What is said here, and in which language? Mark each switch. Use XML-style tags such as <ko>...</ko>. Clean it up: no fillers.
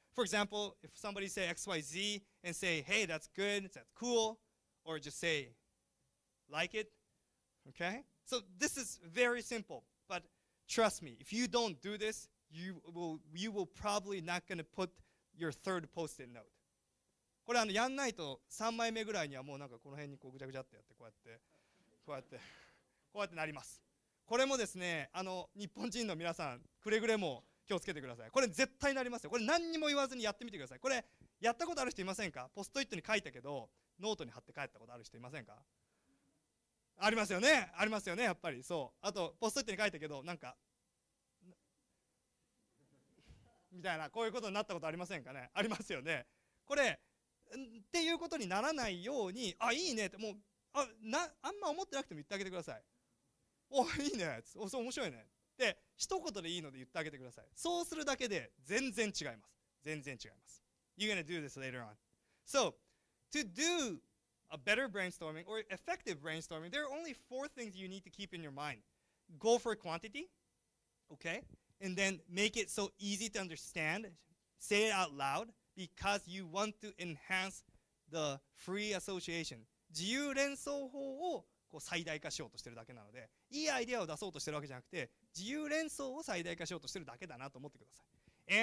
<en>For example, if somebody say XYZ and say, hey, that's good, that's cool, or just say, like it, okay? So this is very simple, but trust me, if you don't do this, you will probably not gonna put your third post-it note.</en> <ja>これやんないと3枚目ぐらいにはもうなんかこの辺にこうぐちゃぐちゃってやってこうやってなります。これもですね、日本人の皆さん、くれぐれも気をつけてください。これ絶対になりますよ。これ何にも言わずにやってみてください。これやったことある人いませんか？ポストイットに書いたけど、ノートに貼って帰ったことある人いませんか？ありますよね。ありますよね、やっぱり。そう。あと、ポストイットに書いたけど、なんか、みたいな、こういうことになったことありませんかね。ありますよね。これ、っていうことにならないように、あ、いいねって、もう、あんま思ってなくても言ってあげてください。お、いいね。お、そう、面白いね。で一言でいいので言ってあげてください。そうするだけで全然違います。全然違います。</ja> <en>You're gonna do this later on. So, to do a better brainstorming or effective brainstorming, there are only four things you need to keep in your mind. Go for quantity, okay? And then make it so easy to understand. Say it out loud because you want to enhance the free association.</en> <ja>自由連想法をこう最大化しようとしてるだけなので、いいアイデアを出そうとしてるわけじゃなくて、自由連想を最大化しようとしてるだけだなと思ってください。</ja>